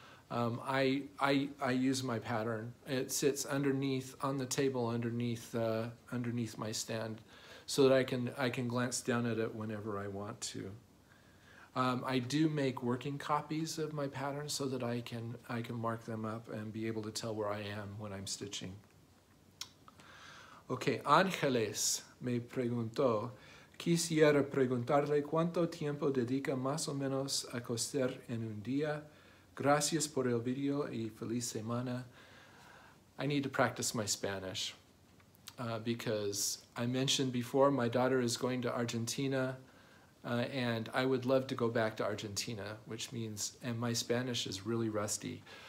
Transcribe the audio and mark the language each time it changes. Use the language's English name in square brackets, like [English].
[English] I use my pattern. It sits underneath on the table, underneath my stand, so that I can glance down at it whenever I want to. I do make working copies of my pattern so that I can mark them up and be able to tell where I am when I'm stitching. [Spanish] Okay, Angeles me preguntó, quisiera preguntarle cuánto tiempo dedica más o menos a coser en un día. Gracias por el video y feliz semana. [English] I need to practice my Spanish because I mentioned before my daughter is going to Argentina, and I would love to go back to Argentina, and my Spanish is really rusty.